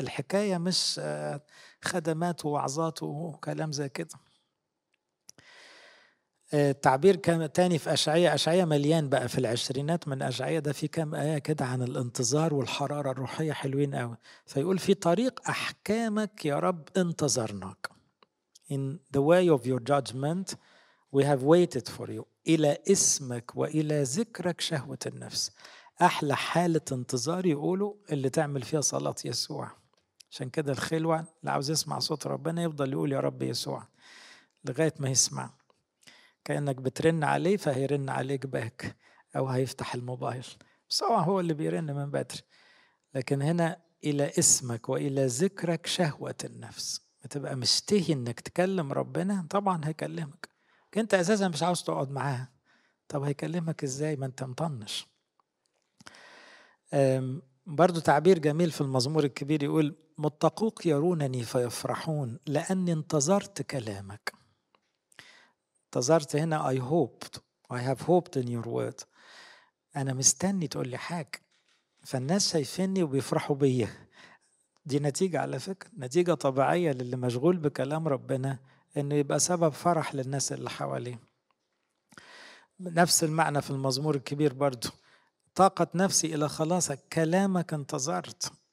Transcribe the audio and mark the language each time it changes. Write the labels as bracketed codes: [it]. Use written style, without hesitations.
[ar] الحكاية مش خدمات وعظات وكلام زي كده. التعبير كان تاني في أشعياء, أشعياء مليان بقى في العشرينات من أشعياء, ده في كم آية كده عن الانتظار والحرارة الروحية حلوين قوي. فيقول في طريق أحكامك يا رب انتظرناك. [en] In the way of your judgment we have waited for you. [ar] إلى اسمك وإلى ذكرك شهوة النفس. أحلى حالة انتظار يقولوا اللي تعمل فيها صلاة يسوع. عشان كده الخلوة اللي عاوز يسمع صوت ربنا يفضل يقول يا رب يسوع لغاية ما يسمع, كأنك بترن عليه فهيرن عليك باك أو هيفتح الموبايل, سواء هو اللي بيرن من بدري. لكن هنا إلى اسمك وإلى ذكرك شهوة النفس, بتبقى مشتهي إنك تكلم ربنا. طبعا هيكلمك, كنت أساسا مش عاوز تقعد معاه, طب هيكلمك إزاي ما أنت مطنش. برضو تعبير جميل في المزمور الكبير يقول متقوق يرونني فيفرحون لأني انتظرت كلامك. انتظرت هنا [en] I hoped, I have hoped in your word. [ar] أنا مستني تقول لي حاجة، فالناس شايفيني وبيفرحوا بي. دي نتيجة على فكرة، نتيجة طبيعية للي مشغول بكلام ربنا، إنه يبقى سبب فرح للناس اللي حواليه. نفس المعنى في المزمور الكبير برضو، طاقة نفسي إلى خلاصك كلامك انتظرت.